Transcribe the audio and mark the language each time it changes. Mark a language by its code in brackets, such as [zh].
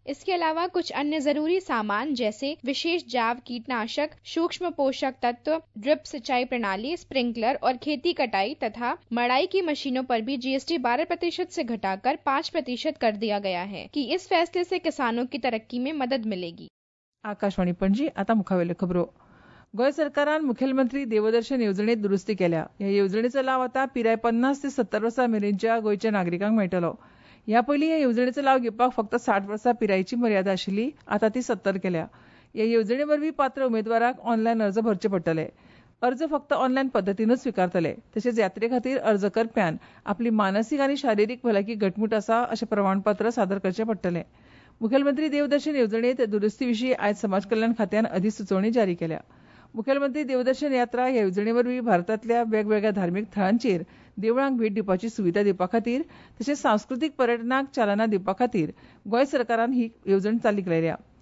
[hi] इसके अलावा कुछ अन्य जरूरी सामान जैसे विशेष जैव कीटनाशक, सूक्ष्म पोषक तत्व, ड्रिप सिंचाई प्रणाली, स्प्रिंकलर और खेती कटाई तथा मड़ाई की मशीनों पर भी जीएसटी 12% से घटाकर 5% कर दिया गया है कि इस फैसले से किसानों की तरक्की में मदद मिलेगी. [gom] आकाशवाणी पणजी आता मुखावेले खबरो. गोय सरकारान मुखेलमंत्री देवदर्शन येवजणेत दुरुस्ती केल्या. ह्या येवजणेचो लाव आता पिराय 50-70 वर्सां मेरेनच्या गोयच्या नागरिकांक मेळटलो. ह्या पयली ह्या येवजणेचो लाव घेवपाक फक्त 60 पिरायेची मर्यादा आशिल्ली, आता ती 70 केल्या. ह्या येवजणे वरवीं पात्र उमेदवारांक ऑनलायन अर्ज भरचे पडटले. अर्ज फक्त ऑनलायन पद्दतीनूच स्विकारतले. तशेंच यात्रे खातीर अर्ज करप्यान आपली मानसीक आनी शारिरीक भलायकी घटमूट आसा अशें प्रमाणपत्र सादर करचें पडटलें. मुखेलमंत्री देवदर्शन येवजणेंत दुरुस्ती विशीं आयज समाज कल्याण खात्यान अधिसुचोवणी जारी केल्या. मुखेलमंत्री देवदर्शन यात्रा ह्या येवजणे वरवीं भारतांतल्या वेगवेगळ्या धार्मीक थळांचेर देवळांक भेट दिवपाची सुविधा दिवपा खातीर तशेंच सांस्कृतीक पर्यटनाक चालना दिवपा खातीर गोंय सरकारान ही येवजण चालीक लायल्या.